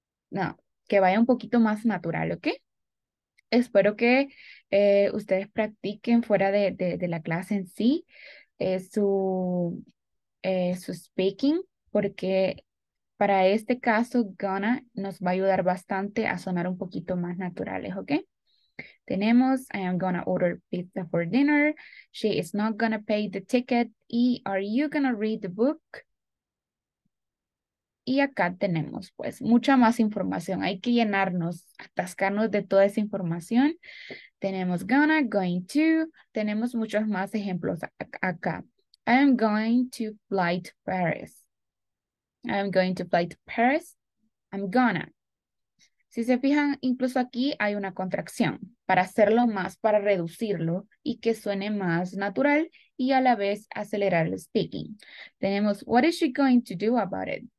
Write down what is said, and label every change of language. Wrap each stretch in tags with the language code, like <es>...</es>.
<es>No, que vaya un poquito más natural, ¿ok? Espero que ustedes practiquen fuera de la clase en sí su speaking, porque para este caso, gonna nos va a ayudar bastante a sonar un poquito más naturales, ¿ok?</es> <en>Tenemos, I am gonna order pizza for dinner, she is not gonna pay the ticket, y are you gonna read the book?</en> <es>Y acá tenemos, pues, mucha más información. Hay que llenarnos, atascarnos de toda esa información. Tenemos gonna, going to, tenemos muchos más ejemplos acá.</es> <en>I am going to fly to Paris. I am going to fly to Paris. I'm gonna.</en> <es>Si se fijan, incluso aquí hay una contracción para hacerlo más, para reducirlo y que suene más natural y a la vez acelerar el speaking.</es> <en>Tenemos, what is she going to do about it?</en>